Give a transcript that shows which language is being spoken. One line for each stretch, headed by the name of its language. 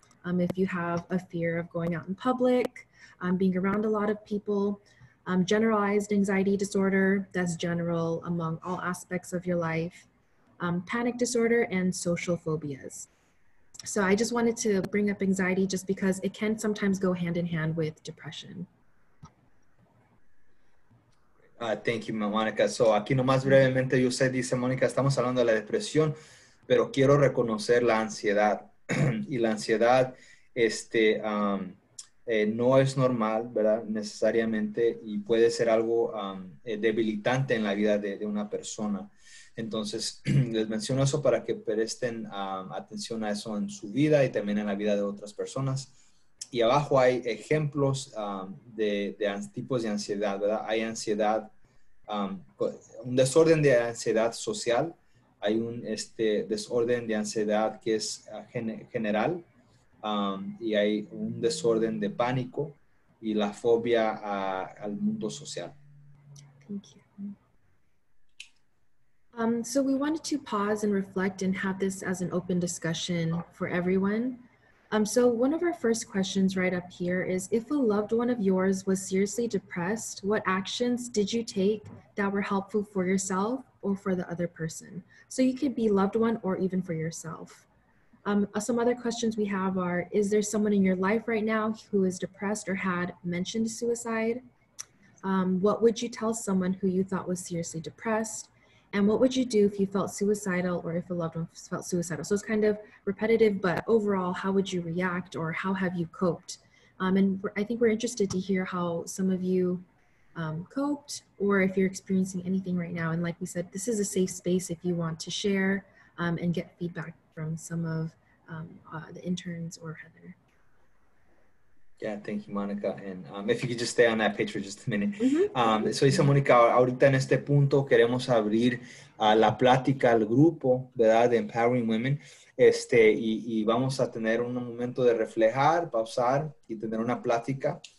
English: If you have a fear of going out in public, being around a lot of people, generalized anxiety disorder, that's general among all aspects of your life. Panic disorder and social phobias. So I just wanted to bring up anxiety just because it can sometimes go hand in hand with depression. Thank you, Monica.
Spanish: So aquí nomás brevemente, yo sé, dice Monica, estamos hablando de la depresión, pero quiero reconocer la ansiedad. Y la ansiedad no es normal, ¿verdad? Necesariamente, y puede ser algo debilitante en la vida de una persona. Entonces, les menciono eso para que presten atención a eso en su vida y también en la vida de otras personas. Y abajo hay ejemplos de tipos de ansiedad, ¿verdad? Hay ansiedad, un desorden de ansiedad social, hay un desorden de ansiedad que es general, y hay un desorden de pánico y la fobia al mundo social.
English: Thank you. So we wanted to pause and reflect and have this as an open discussion for everyone. So one of our first questions right up here is, if a loved one of yours was seriously depressed, what actions did you take that were helpful for yourself or for the other person? So you could be loved one or even for yourself. Some other questions we have are, is there someone in your life right now who is depressed or had mentioned suicide? What would you tell someone who you thought was seriously depressed? And what would you do if you felt suicidal or if a loved one felt suicidal? So it's kind of repetitive, but overall, how would you react or how have you coped? And I think we're interested to hear how some of you coped or if you're experiencing anything right now. And like we said, this is a safe space if you want to share and get feedback from some of the interns or Heather. Yeah, thank you, Monica. And if you could just stay on that page for just a minute. Mm-hmm.
Spanish: So dice Monica, ahorita en este punto queremos abrir la plática al grupo, ¿verdad? De Empowering Women. Y vamos a tener un momento de reflejar, pausar y tener una plática.